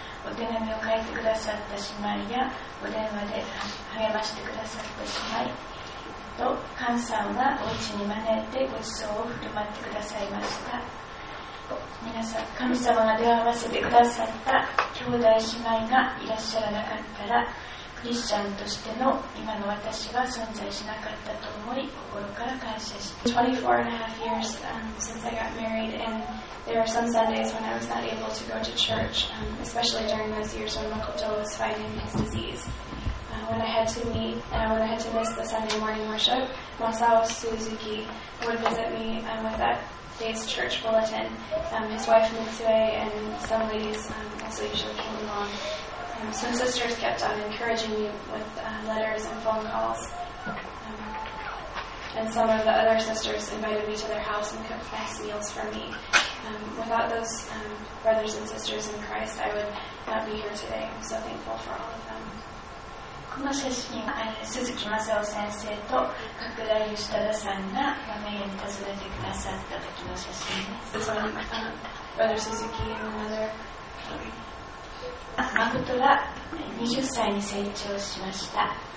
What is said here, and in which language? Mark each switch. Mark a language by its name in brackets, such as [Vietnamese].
[Japanese] お手紙を書いてくださった姉妹や、お電話で励ましてくださった姉妹、と菅さんはお家に招いてご馳走を振る舞ってくださいました。皆さん、神様が出会わせてくださった兄弟姉妹がいらっしゃらなかったら、クリスチャンとしての今の私は存在しなかったと思い、心から感謝しています。 [English] 24 and a half years since I got married, and there were some Sundays when I was not able to go to church, especially during those years when Makoto was fighting his disease. When I had to miss the Sunday morning worship, Masao Suzuki would visit me with that day's church bulletin. His wife Mitsue and some ladies also usually came along. Some sisters kept on encouraging me with letters and phone calls. And some of the other sisters invited me to their house and cooked nice meals for me. Without those brothers and sisters in Christ, I would not be here today. I'm so thankful for all of them. [Japanese] この写真は鈴木正夫先生と角田義忠さんが我が家に訪ねてくださった時の写真です。 [English] Brother Suzuki and mother. [Japanese] 誠が20歳に成長しました。